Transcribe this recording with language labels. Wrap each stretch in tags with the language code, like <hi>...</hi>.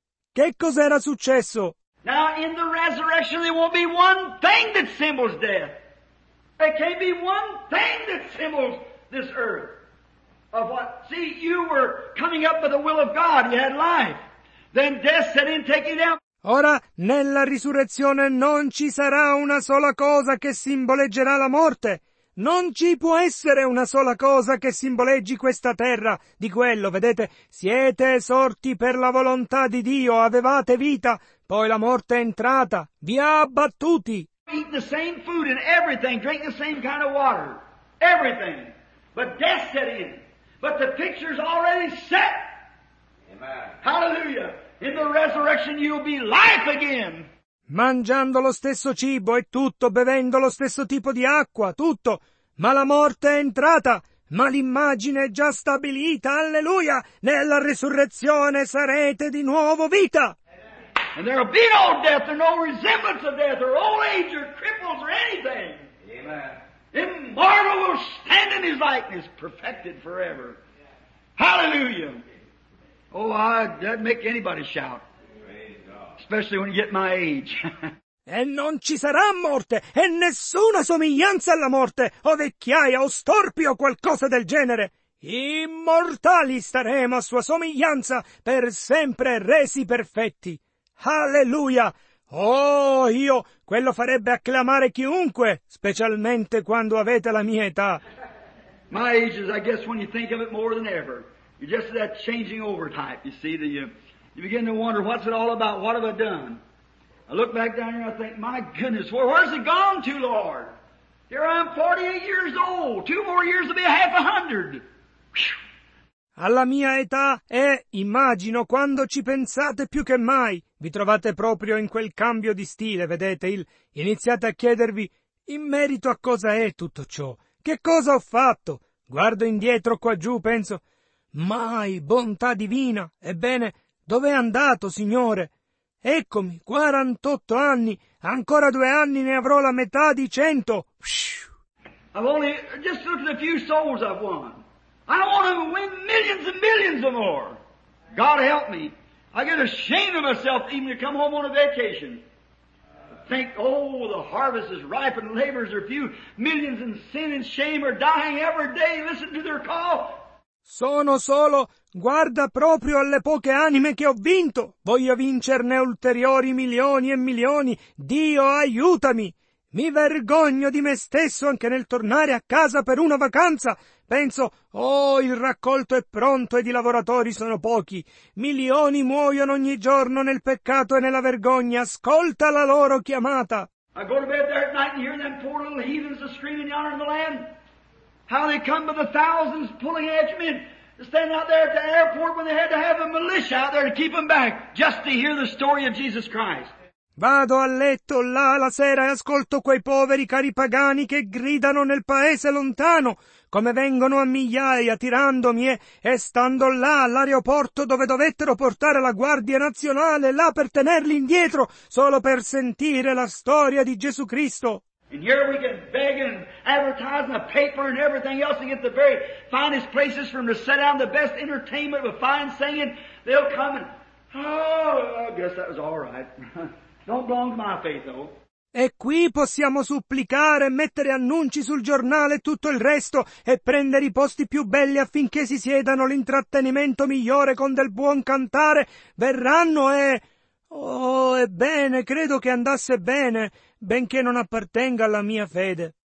<it>Che cos'era successo?</it> <en>Now in the resurrection there won't be one thing that symbols death. There can't be one thing that symbols this earth. Of what? See, you were coming up by the will of God. You had life. Then death set in, taking down.</en> <it>Ora, nella risurrezione non ci sarà una sola cosa che simboleggerà la morte. Non ci può essere una sola cosa che simboleggi questa terra. Di quello, vedete, siete sorti per la volontà di Dio, avevate vita, poi la morte è entrata, vi ha abbattuti.</it> <en>Eat the same food and everything, drink the same kind of water, everything. But death set in. But the picture's already set. Hallelujah! In the resurrection you'll be life again.</en> <it>Mangiando lo stesso cibo e tutto, bevendo lo stesso tipo di acqua, tutto. Ma la morte è entrata, ma l'immagine è già stabilita. Alleluia! Nella resurrezione sarete di nuovo vita.</it> <en>And there'll be no death, or no resemblance of death, or old age, or cripples, or anything. Amen. Immortal will stand in his likeness, perfected forever. Hallelujah! Oh, that'd make anybody shout. Especially when you get my age.</en> <it>E non ci sarà morte, e nessuna somiglianza alla morte, o vecchiaia, o storpio, o qualcosa del genere. Immortali staremo a sua somiglianza, per sempre resi perfetti. Alleluia! Oh, io, quello farebbe acclamare chiunque, specialmente quando avete la mia età.</it> <en>My age is, I guess, when you think of it more than ever. You're just that changing over type, you see, that you begin to wonder, what's it all about? What have I done? I look back down here and I think, my goodness, where's it gone to, Lord? Here I'm 48 years old. Two more years will be a 50.</en> <it>Alla mia età è, immagino, quando ci pensate più che mai, vi trovate proprio in quel cambio di stile, vedete, iniziate a chiedervi, in merito a cosa è tutto ciò? Che cosa ho fatto? Guardo indietro qua giù, penso, mai, bontà divina, ebbene, dov'è andato, Signore? Eccomi, 48 anni, ancora 2 anni ne avrò la metà di 100.</it> <en>I've only, just looked at a few souls I've won. I want to win millions and millions of more. God help me. I get ashamed of myself even to come home on a vacation. Think, oh, the harvest is ripe and labors are few. Millions in sin and shame are dying every day. Listen to their call.</en> <it>Sono solo, guarda proprio alle poche anime che ho vinto. Voglio vincerne ulteriori milioni e milioni. Dio, aiutami. Mi vergogno di me stesso anche nel tornare a casa per una vacanza. Penso, oh, il raccolto è pronto ed i lavoratori sono pochi. Milioni muoiono ogni giorno nel peccato e nella vergogna. Ascolta la loro chiamata.</it> <en>I go to bed there at night and hear them poor little heathens screaming yonder in the land. How they come by the thousands pulling edge men standing out there at the airport when they had to have a militia out there to keep them back just to hear the story of Jesus Christ.</en> <it>Vado a letto là la sera e ascolto quei poveri cari pagani che gridano nel paese lontano, come vengono a migliaia tirandomi e stando là all'aeroporto dove dovettero portare la Guardia Nazionale là per tenerli indietro solo per sentire la storia di Gesù Cristo.</it> <en>And here we can beg and advertise in the paper and everything else to get the very finest places for them to sit down, the best entertainment with fine singing. They'll come and, oh, I guess that was all right. Don't belong to my faith, though.</en> <it>E qui possiamo supplicare, mettere annunci sul giornale e tutto il resto e prendere i posti più belli affinché si siedano, l'intrattenimento migliore con del buon cantare. Verranno e... Oh, ebbene, credo che andasse bene, benché non appartenga alla mia fede.</it>